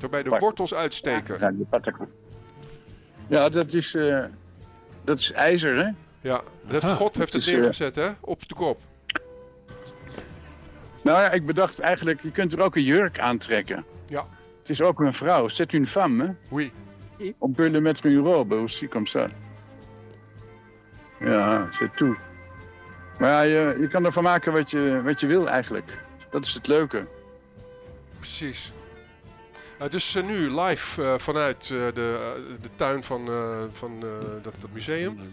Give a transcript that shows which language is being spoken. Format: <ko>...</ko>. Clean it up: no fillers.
<nl>Waarbij de wortels uitsteken. Ja, dat is ijzer, hè? Ja, God heeft het neergezet, hè? Op de kop. Nou ja, ik bedacht eigenlijk, je kunt er ook een jurk aantrekken. Ja. Het is ook een vrouw.</nl> <fr>C'est une femme,</fr> <nl>hè?</nl> <fr>Oui. On peut le mettre une robe, aussi comme ça.</fr> <nl>Ja, zit toe. Maar ja, je kan ervan maken wat je wil eigenlijk. Dat is het leuke. Precies. Dus nu live vanuit de tuin van dat museum.</nl>